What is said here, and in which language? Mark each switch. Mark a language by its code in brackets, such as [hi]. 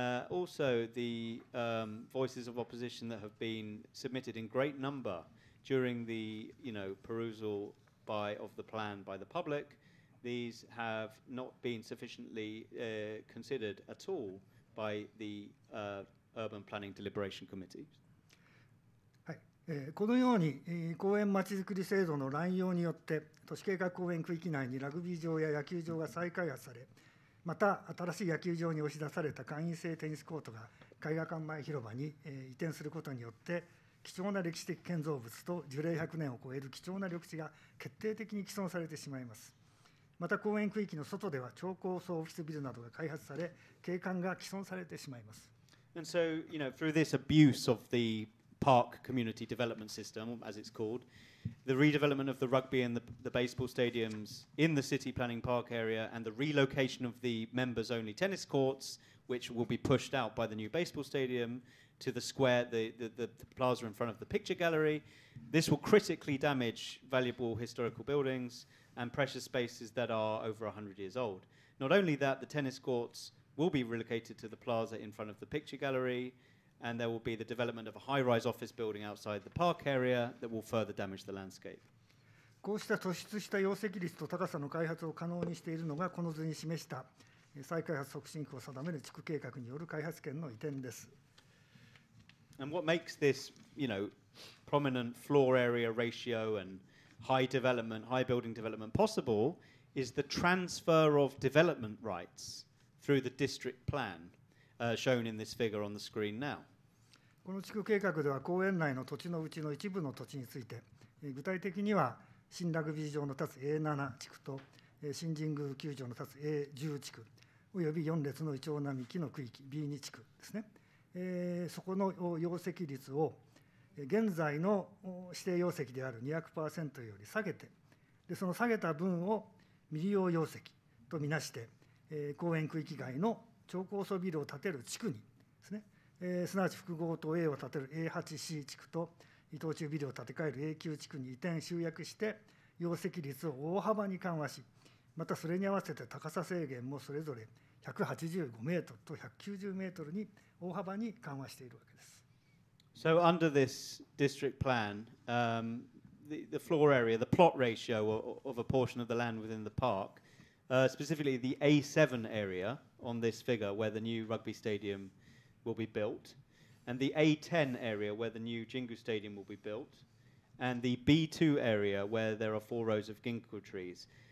[en] Also, the voices of opposition that have been submitted in great number during the, you know, perusal of the plan by the public, these have not been sufficiently considered at all by the Urban Planning Deliberation Committee. [ja] はい、このように、公園まちづくり制度の乱用によって、都市計画公園区域内にラグビー場や野球場が再開発され、また新しい野球場に押し出された会員制テニスコートが絵画館前広場に移転することによって貴重な歴史的建造物と樹齢100年を超える貴重な緑地が決定的に毀損されてしまいます。また公園区域の外では超高層オフィスビルなどが開発され景観が毀損されてしまいます。 [en] And so, you know, through this abuse of the park community development system, as it's called, the redevelopment of the rugby and the baseball stadiums in the city planning park area and the relocation of the members only tennis courts, which will be pushed out by the new baseball stadium to the square, the plaza in front of the picture gallery. This will critically damage valuable historical buildings and precious spaces that are over 100 years old. Not only that, the tennis courts will be relocated to the plaza in front of the picture gallery, and there will be the development of a high-rise office building outside the park area that will further damage the landscape. [ja] こうした突出した容積率と高さの開発を可能にしているのがこの図に示した再開発促進区を定める地区計画による開発権の移転です。 [en] And what makes this, you know, prominent floor area ratio and high development, high building development possible is the transfer of development rights through the district plan, shown in this figure on the screen now. [ja] この地区計画では公園内の土地のうちの一部の土地について、具体的には新ラグビー場の立つ A7 地区と新神宮球場の立つ A10 地区および4列のイチョウ並木の区域 B2 地区ですね、そこの容積率を現在の指定容積である 200% より下げて、でその下げた分を未利用容積とみなして、公園区域外の超高層ビルを建てる地区にですね、すなわち複合棟 A を建てる A8C 地区と伊藤中ビルを建て替える A 級地区に移転集約して容積率を大幅に緩和し、またそれに合わせて高さ制限もそれぞれ185メートルと190メートルに大幅に緩和しているわけです。 [en] So under this district plan, the floor area, the plot ratio of a portion of the land within the park, specifically the A7 area on this figure where the new rugby stadium will be built,and the A10 area where the new Jingu Stadium will be built, and the B2 area where there are four rows of ginkgo trees.